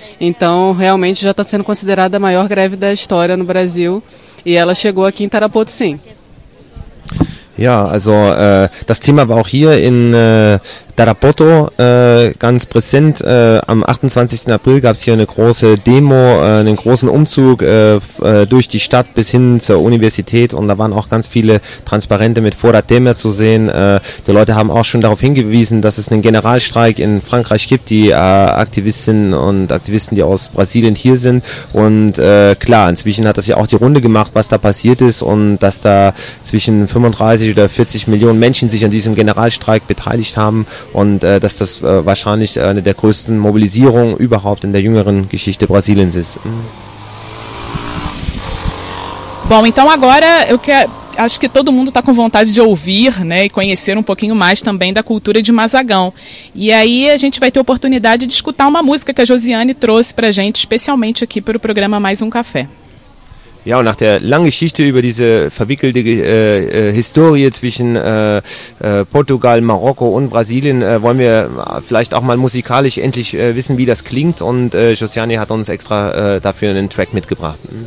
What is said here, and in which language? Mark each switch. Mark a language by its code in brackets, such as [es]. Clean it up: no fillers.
[pt] Então, realmente, já está sendo considerada a maior greve da história no Brasil, e ela chegou aqui em Tarapoto, sim. [de] Ja, also das Thema war auch hier in Tarapoto ganz präsent. Am 28. April gab es hier eine große Demo, einen großen Umzug durch die Stadt bis hin zur Universität, und da waren auch ganz viele Transparente mit [pt] Fora Temer [de] zu sehen. Die Leute haben auch schon darauf hingewiesen, dass es einen Generalstreik in Frankreich gibt, die Aktivistinnen und Aktivisten, die aus Brasilien hier sind, und klar, inzwischen hat das ja auch die Runde gemacht, was da passiert ist, und dass da zwischen 35 oder 40 Millionen Menschen sich an diesem Generalstreik beteiligt haben. Und dass das wahrscheinlich eine der größten Mobilisierungen überhaupt in der jüngeren Geschichte Brasiliens ist. [pt] Bom, então agora acho que todo mundo está com vontade de ouvir, né, e conhecer um pouquinho mais também da cultura de Mazagão. E aí a gente vai ter a oportunidade de escutar uma música que a Josiane trouxe para a gente, especialmente aqui para o programa Mais um Café. [de] Ja, und nach der langen Geschichte über diese verwickelte Historie zwischen Portugal, Marokko und Brasilien wollen wir vielleicht auch mal musikalisch endlich wissen, wie das klingt. Und Josiane hat uns extra dafür einen Track mitgebracht.